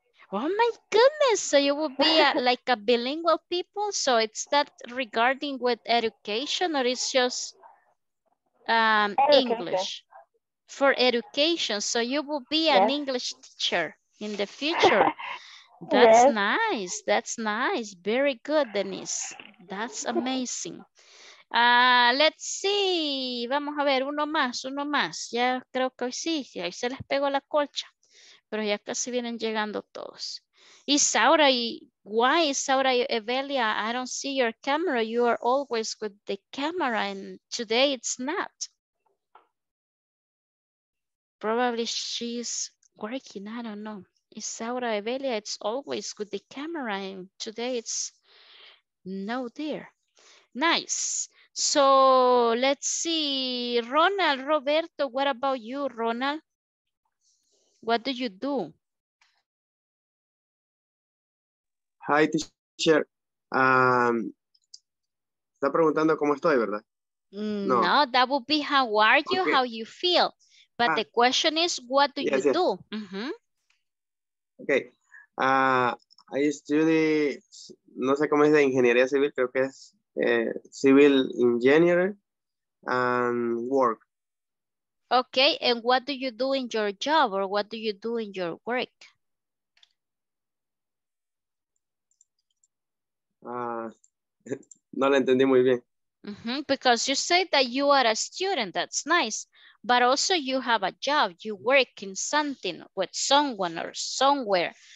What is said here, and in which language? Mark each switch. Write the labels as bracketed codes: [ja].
[en] Oh my goodness, so you will be like a bilingual people, so it's that regarding with education, or it's just English for education, so you will be an English teacher in the future. That's nice, that's nice, very good, Denise, that's amazing. Let's see, [es] vamos a ver, uno más, ya creo que hoy sí, ahí se les pegó la colcha, pero ya casi vienen llegando todos. [en] Isaura, why Isaura, Evelia, I don't see your camera, you are always with the camera and today it's not. Probably she's working, I don't know. Isaura, Evelia, it's always with the camera and today it's no there. Nice. So let's see, Ronald, Roberto, what about you, Ronald? What do you do? Hi, teacher. [es] Está preguntando cómo estoy, ¿verdad? [en] No, that would be how are you, okay. How you feel. But the question is, what do you do? Mm-hmm. Okay, I study, [es] no sé cómo es de ingeniería civil, creo que es... [en] civil engineer and work. Okay, and what do you do in your job or what do you do in your work? [es] No la entendí muy bien. [en] Mm-hmm, because you say that you are a student, that's nice, but also you have a job, you work in something with someone or somewhere.